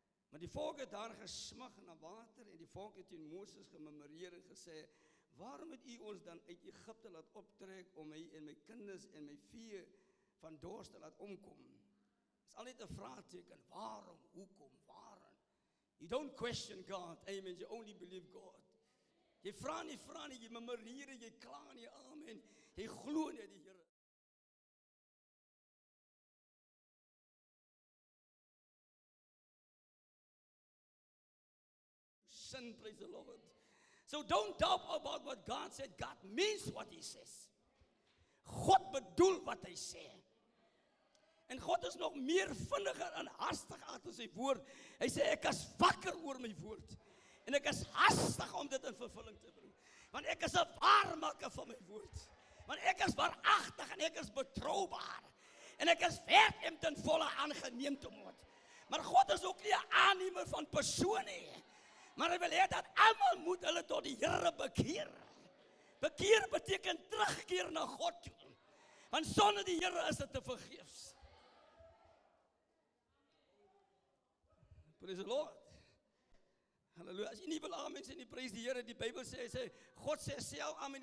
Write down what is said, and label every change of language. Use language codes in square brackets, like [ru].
[af] Maar die volk het daar gesmag na water en die volk het in Moses gememoreer en gesê, waarom het u ons dan uit Egypte laat optrek om my en my kinders en my vee van dorst te laat omkom? Dit is al net 'n vraagteken, waarom, hoekom, waarom? [en] You don't question God, amen, you only believe God. [af] Jy vra nie, jy memoreer, jy kla nie, amen, jy glo nie die Here. [en] Sin, praise the Lord. So don't doubt about what God said. God means what he says. [af] God bedoel wat hy sê. En God is nog meer vinniger en hastig achter sy woord. Hy sê, ek is wakker oor my woord. En ek is hastig om dit in vervulling te bring. Want ek is 'n waarmaker van my woord. Want ek is waaragtig en ek is betroubaar. En ek is werk om ten volle aangeneem te word. Maar God is ook nie 'n aannemer van persoon nie. Maar hy wil hê dat almal moet hulle tot die Here bekeer. Bekeer beteken terugkeer na God toe. Want sonder die Here is dit te vergeefs. [en] Praise the Lord. [af] Halleluja. As jy nie wil amen sê nie, prys die Here. Die Bybel sê, sê, God sê self amen.